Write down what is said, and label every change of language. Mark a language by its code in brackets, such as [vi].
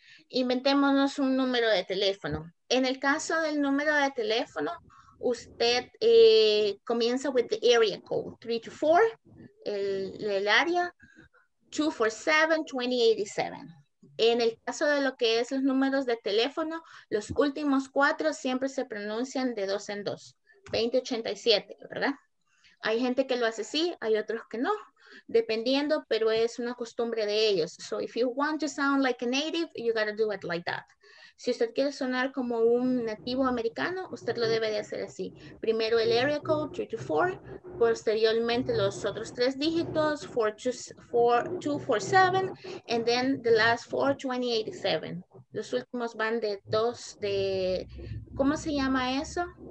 [es] Inventémonos un número de teléfono. En el caso del número de teléfono, usted comienza [en] with the area code, [es] 324, el área, 247-2087. En el caso de lo que es los números de teléfono, los últimos cuatro siempre se pronuncian de dos en dos, 2087, ¿verdad? Hay gente que lo hace así, hay otros que no. Dependiendo, pero es una costumbre de ellos. [en] So if you want to sound like a native, you gotta do it like that. [es] Si usted quiere sonar como un nativo americano, usted lo debe de hacer así. Primero el area code, 324, posteriormente los otros tres dígitos, 4247, [en] and then the last [es] 4287. Los últimos van de dos, de, ¿cómo se llama eso?